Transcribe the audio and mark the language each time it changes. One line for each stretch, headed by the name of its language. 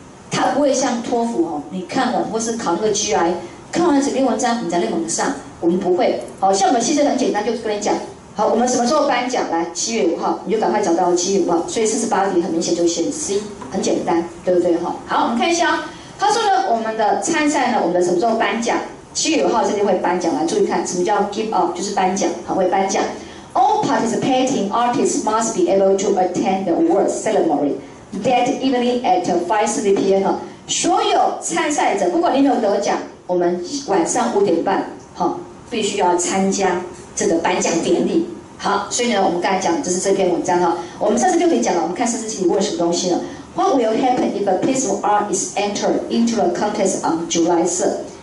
Chinese: 它不会像托福哦，你看了或是考那个 GRE， 看完整篇文章你在论文上，我们不会。好，像我们其实很简单，就是跟你讲。好，我们什么时候颁奖？来，七月五号，你就赶快找到七月五号。所以四十八题很明显就选 C， 很简单，对不对？好，我们看一下哦。他说呢，我们的参赛呢，我们的什么时候颁奖？七月五号这边会颁奖。来，注意看，什么叫 give up？ 就是颁奖，很会颁奖。
English: All participating artists must be able to attend the awards ceremony that evening at 5:30 p.m.
Chinese: 所有参赛者，不管你有没有得奖，我们晚上五点半，必须要参加这个颁奖典礼。好，所以呢，我们刚才讲，这是这篇文章哈。我们上次就可以讲了，我们看上次题问什么东西呢
English: ？What will happen if a piece of art is entered into a contest on July 3rd？